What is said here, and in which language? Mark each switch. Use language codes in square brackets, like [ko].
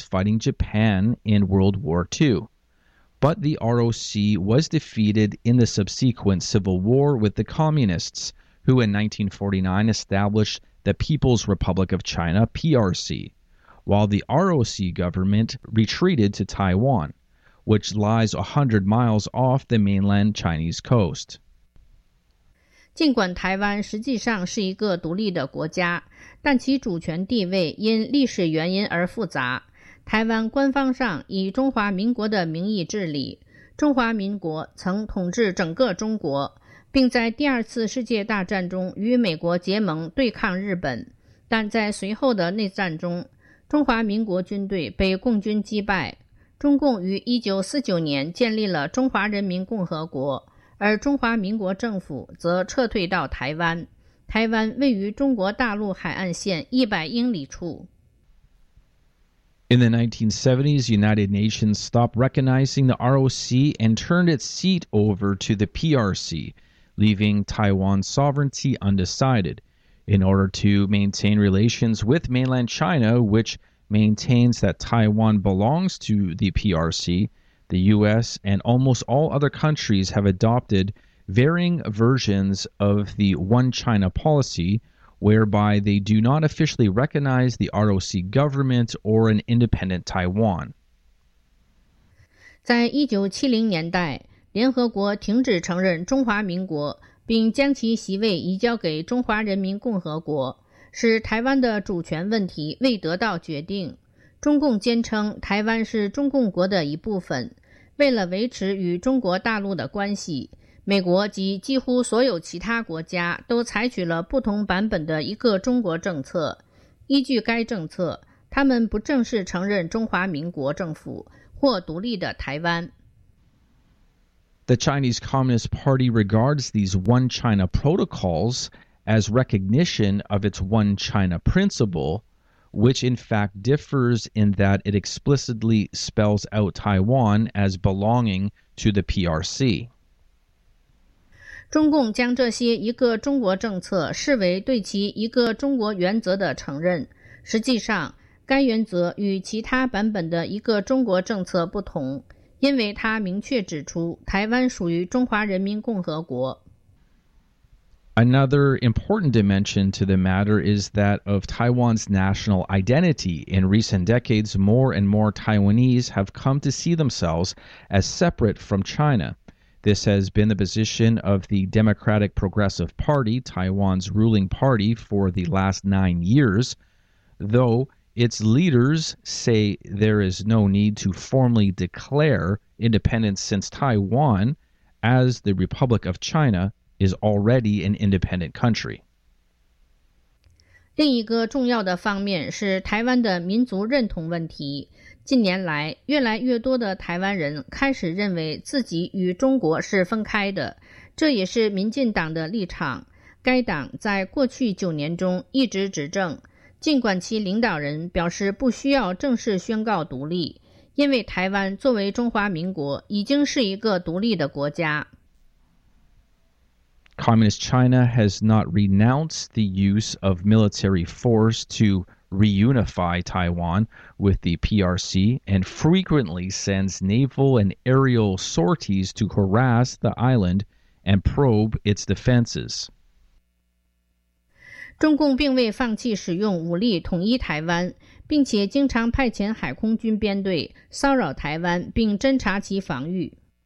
[en] fighting Japan in World War II. But the ROC was defeated in the subsequent civil war with the communists, who in 1949 established the People's Republic of China, PRC, while the ROC government retreated to Taiwan, which lies 100 miles off the mainland Chinese coast. [zh] 尽管台湾实际上是一个独立的国家，但其主权地位因历史原因而复杂。台湾官方上以中华民国的名义治理，中华民国曾统治整个中国，并在第二次世界大战中与美国结盟对抗日本，但在随后的内战中，中华民国军队被共军击败，中共于1949年建立了中华人民共和国，而中华民国政府则撤退到台湾。台湾位于中国大陆海岸线100英里处。 [en] In the 1970s, United Nations stopped recognizing the ROC and turned its seat over to the PRC, leaving Taiwan's sovereignty undecided. In order to maintain relations with mainland China, which maintains that Taiwan belongs to the PRC, the U.S. and almost all other countries have adopted varying versions of the One China policy,whereby they do not officially recognize the ROC government or an independent Taiwan. [zh] 在1970年代，联合国停止承认中华民国，并将其席位移交给中华人民共和国，使台湾的主权问题未得到决定。中共坚称台湾是中共国的一部分，为了维持与中国大陆的关系，美国及几乎所有其他国家都采取了不同版本的一个中国政策。依据该政策，他们不正式承认中华民国政府或独立的台湾。 [en] The Chinese Communist Party regards these One China protocols as recognition of its One China principle, which in fact differs in that it explicitly spells out Taiwan as belonging to the PRC. [zh] 中共将这些一个中国政策视为对其一个中国原则的承认。实际上，该原则与其他版本的一个中国政策不同，因为它明确指出台湾属于中华人民共和国。 [en] Another important dimension to the matter is that of Taiwan's national identity. In recent decades, more and more Taiwanese have come to see themselves as separate from China. This has been the position of the Democratic Progressive Party, Taiwan's ruling party, for the last 9 years, though its leaders say there is no need to formally declare independence since Taiwan, as the Republic of China, is already an independent country. [zh] 另一个重要的方面是台湾的民族认同问题。近年来，越来越多的台湾人开始认为自己与中国是分开的，这也是民进党的立场。该党在过去9年中一直执政，尽管其领导人表示不需要正式宣告独立，因为台湾作为中华民国已经是一个独立的国家。 [en] Communist China has not renounced the use of military force to reunify Taiwan with the PRC and frequently sends naval and aerial sorties to harass the island and probe its defenses. [zh] 中共并未放弃使用武力统一台湾，并且经常派遣海空军编队骚扰台湾并侦察其防御。